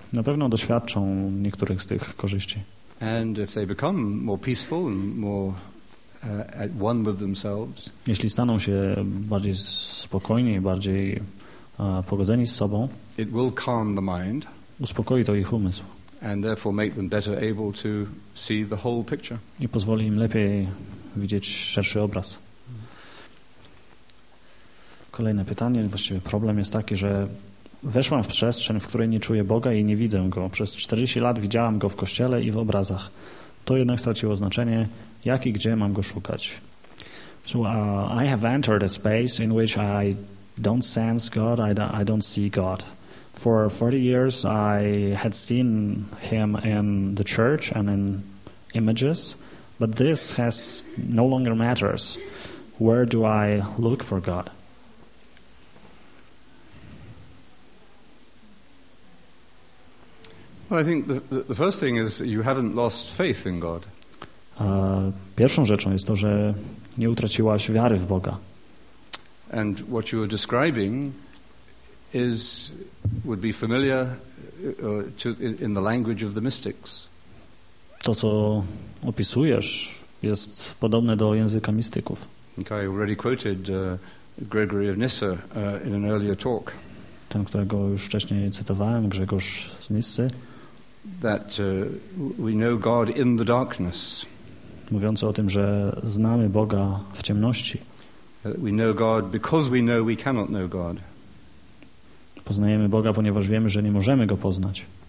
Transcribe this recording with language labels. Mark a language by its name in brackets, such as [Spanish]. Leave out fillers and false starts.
[Polish] Na pewno doświadczą niektórych z tych korzyści. [English] And if they become more peaceful and more at one with themselves, [Polish] jeśli staną się bardziej spokojni, bardziej pogodzeni z sobą, [English] it will calm the mind. [Polish] Uspokoi to ich umysł. [English] And therefore make them better able to see the whole picture. [Polish] I pozwoli im lepiej widzieć szerszy obraz. Kolejne pytanie, właściwie problem jest taki, że weszłam w przestrzeń, w której nie czuję Boga i nie widzę Go. Przez 40 lat widziałam Go w kościele i w obrazach. To jednak straciło znaczenie, jak i gdzie mam Go szukać. [English] So I have entered a space in which I don't sense God, I don't see God. For 40 years, I had seen him in the church and in images, but this has no longer matters. where do I look for God? Well, I think the first thing is you haven't lost faith in God. [Polish] Pierwszą rzeczą jest to, że nie utraciłaś wiary w Boga. [English] And what you are describing is would be familiar to in the language of the mystics. [Polish] To, co opisujesz, jest podobne do języka mistyków. [English] I already quoted Gregory of Nyssa in an earlier talk. [Polish] Ten, którego już wcześniej cytowałem, Grzegorz z Nyssy. [English] That we know God in the darkness. [Polish] Mówiąc o tym, że znamy Boga w ciemności. [English] We know God because we know we cannot know God. [Polish] Poznajemy Boga, ponieważ wiemy, że nie możemy go poznać.